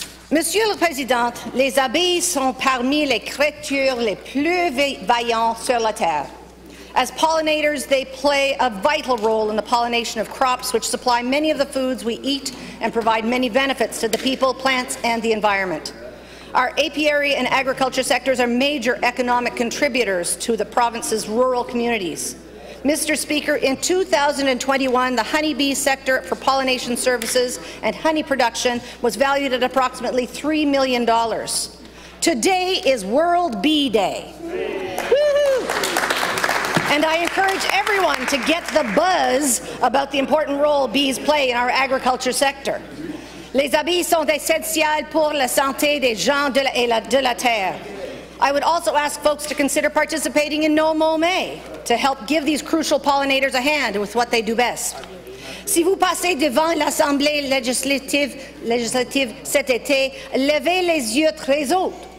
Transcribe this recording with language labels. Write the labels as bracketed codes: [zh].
[fr] Monsieur le Président, les abeilles sont parmi les créatures les plus vaillantes sur la Terre. [en] As pollinators, they play a vital role in the pollination of crops, which supply many of the foods we eat and provide many benefits to the people, plants, and the environment. Our apiary and agriculture sectors are major economic contributors to the province's rural communities. Mr. Speaker, in 2021, the honeybee sector for pollination services and honey production was valued at approximately $3 million. Today is World Bee Day. And I encourage everyone to get the buzz about the important role bees play in our agriculture sector. [fr] Les abeilles sont essentielles pour la santé des gens de la terre. [en] I would also ask folks to consider participating in No Mow May to help give these crucial pollinators a hand with what they do best. [fr] Si vous passez devant l'Assemblée législative cet été, levez les yeux très haut.